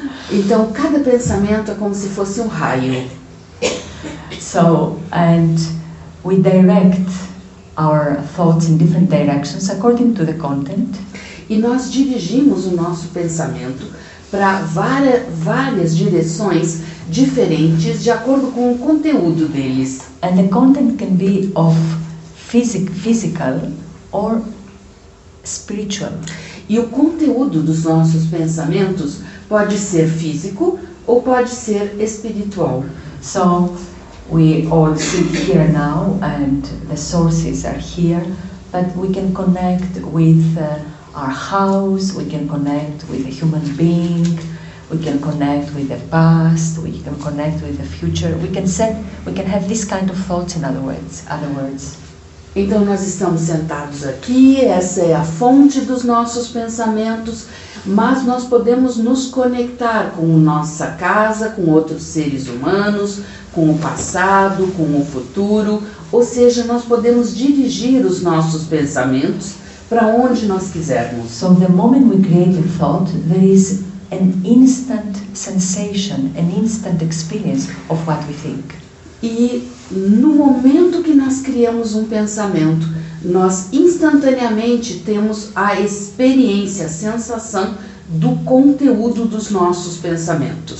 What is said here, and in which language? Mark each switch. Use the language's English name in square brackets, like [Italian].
[Portuguese] Então, cada pensamento é como se fosse um raio. [English] So, and we direct our thoughts in different directions according to the content. [Portuguese] E nós dirigimos o nosso pensamento para várias direções diferentes de acordo com o conteúdo deles. [English] And the content can be of physical or spiritual. [Portuguese] E o conteúdo dos nossos pensamentos pode ser físico ou pode ser espiritual. [English] So, we all sit here now and the sources are here, but we can connect with our house, we can connect with a human being, we can connect with the past, we can connect with the future, we can have this kind of thoughts, in other words. [Portuguese] Então, nós estamos sentados aqui, essa é a fonte dos nossos pensamentos, mas nós podemos nos conectar com nossa casa, com outros seres humanos, com o passado, com o futuro, ou seja, nós podemos dirigir os nossos pensamentos para onde nós quisermos. [English] So, the moment we create a thought, there is an instant sensation, an instant experience of what we think. [Portuguese] E no momento que nós criamos um pensamento, nós instantaneamente temos a experiência, a sensação do conteúdo dos nossos pensamentos.